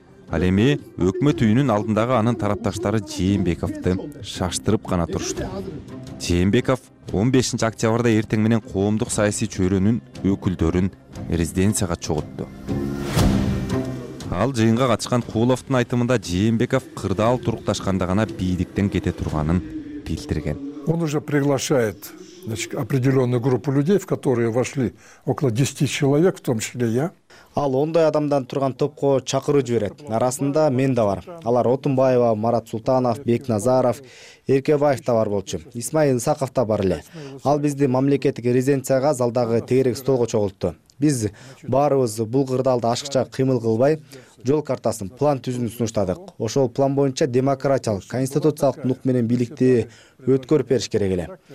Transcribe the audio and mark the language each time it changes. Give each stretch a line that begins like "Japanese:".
Kyrgyz: Ал эми өкмөт үйүнүн алдындагы анын тарапташтары Жээнбековду шаштырып гана турушту. Жээнбеков 15 октябрда эртең менен коомдук саясий чөйрөнүн өкүлдөрүн резиденцияга чогултту. Ал жыйынга катышкан Кууловдун айтымында Жээнбеков кырдаал турукташканда гана бийликтен кете турганын билдирген.
Russian: Он уже приглашает определенную группу людей, в которые вошли около 10 человек, в том числе я.
Kyrgyz: Ал ондой адамдан турган топко чакырып жиберет. Арасында мен да бар. Алар Отунбаева, Марат Султанов, Бекназаров, Эркебаев да бар болчу. Исмаил Исаков да бар эле. Ал бизди мамлекеттик резиденцияга залдагы тегерек столго чогултту. Биз баарыбыз бул кырдаалда ашыкча кыймыл кылбай, жол картасын, план түзүүнү сунуштадык. Ошол план боюнча демократиялык, конституциялык нук менен бийликти өткөрүп бериш керек эле.